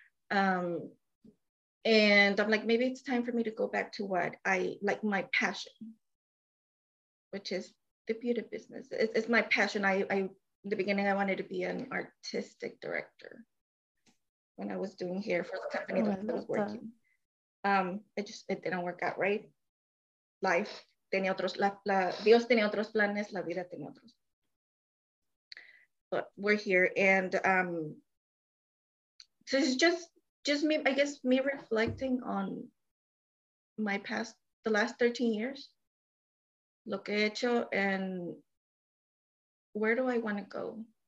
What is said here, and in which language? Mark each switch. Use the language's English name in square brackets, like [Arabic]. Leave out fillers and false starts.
[English] And I'm like, maybe it's time for me to go back to what I like, my passion, which is the beauty business. It's my passion. I in the beginning, I wanted to be an artistic director when I was doing hair for the company that I was working. It didn't work out, right? [Spanish] Life tenía otros, Dios tenía otros planes, la vida tenía otros. [English] But we're here, and so it's just me, I guess, me reflecting on my past, the last 13 years, lo que he hecho, and where do I want to go?